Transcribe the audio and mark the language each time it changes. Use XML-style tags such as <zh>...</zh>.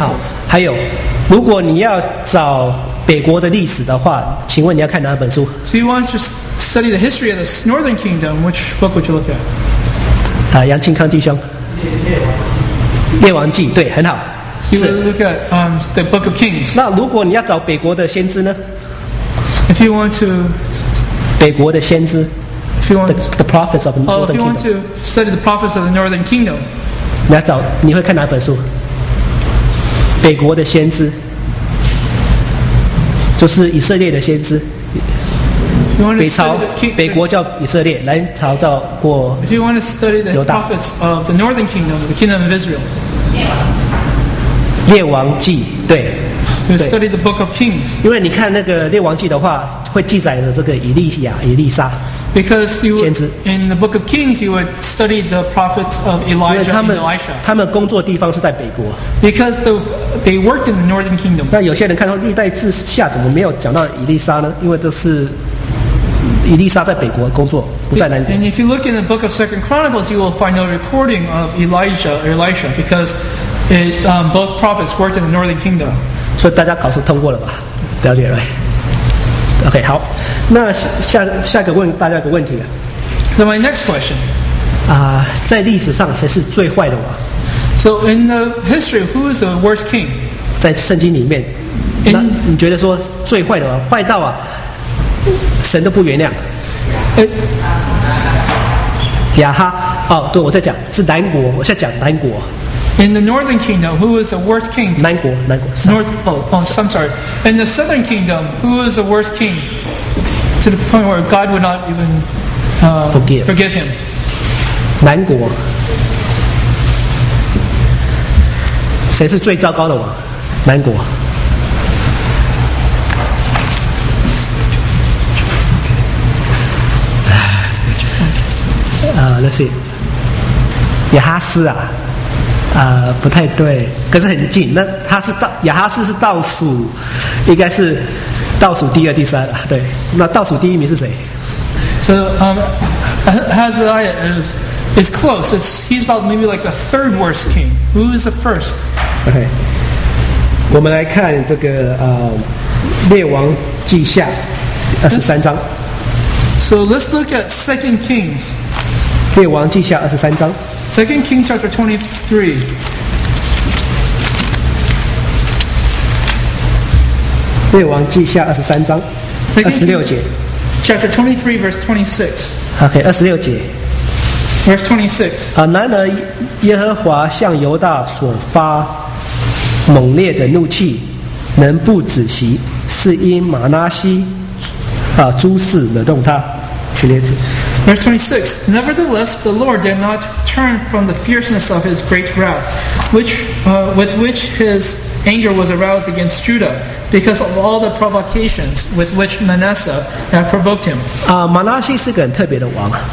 <zh>好，还有，如果你要找北国的历史的话，请问你要看哪本书</zh> <en>？So you want to study the history of the Northern Kingdom? Which book would you look at?</en> <zh>啊，杨庆康弟兄。列王记，对，很好。</zh> <en>So you look at the Book of Kings.</en> <zh>那如果你要找北国的先知呢</zh> <en>？If you want to</en> <zh>北国的先知。</zh> <en>The prophets of the Northern Kingdom. If you want to study the prophets of the Northern Kingdom,</en> <zh>你要找你会看哪本书？北国的先知，就是以色列的先知。北朝北国叫以色列，南朝叫过犹大。</zh> <en>If you want to study the prophets of the Northern Kingdom, the Kingdom of Israel,</en> <zh>列王记对。</zh> <en>You study the Book of Kings.</en> <zh>因为你看那个列王记的话，会记载了这个以利亚、以利沙。</zh> <en>Because you would, in the Book of Kings, you would study the prophets of Elijah and Elisha.</en> <zh>他们工作的地方是在北国。</zh> <en>Because they worked in the Northern Kingdom.</en> <zh>那有些人看到历代志下怎么没有讲到以利沙呢？因为这是以利沙在北国工作，不在南国。</zh> <en>And if you look in the Book of Second Chronicles, you will find no recording of Elijah or Elisha because both prophets worked in the Northern Kingdom.</en> <zh>所以大家考试通过了吧？了解了。OK， 好，那下一个问大家一个问题啊。</zh> <en>So my next question，</en> <zh>啊，在历史上谁是最坏的王</zh> <en>？So in the history, who is the worst king？</en> <zh>在圣经里面，那你觉得说最坏的王，坏到啊，神都不原谅？亚哈，哦，对，我在讲是南国，我在讲南国。</zh> <en>In the Northern Kingdom, who is the worst king?</en> <zh>南国</zh> <en>North. I'm sorry. In the Southern Kingdom, who is the worst king? To the point where God would not even forgive him.</en> <zh>南国谁是最糟糕的王？南国。</zh> <en>Let's see.</en> <zh>亚哈斯啊。不太对，可是很近。那他是亚哈斯是倒数，应该是倒数第二、第三了。对，那倒数第一名是谁</zh> <en>？So Ahaziah is close. He's about maybe like the third worst king. Who is the first?</en> <zh>Okay， 我们来看这个列王记下23章。</zh> <en>So let's look at Second Kings.</en> <zh>列王记下23章。</zh> <en>Second Kings chapter 23.</en> <zh>列王记下23章，26节。</zh> <en>Chapter 23, verse 26.</en> <zh>Okay, 26节。</zh> <en>Verse 26.</en> <zh>然而耶和华向犹大所发猛烈的怒气，能不止息，是因玛拿西诸事惹动他。</zh> <en>Verse 26. Nevertheless, the Lord did not turn from the fierceness of his great wrath, with which his anger was aroused against Judah, because of all the provocations with which Manasseh had provoked him.</en> <zh>Manasseh 是个很特别的王。</zh>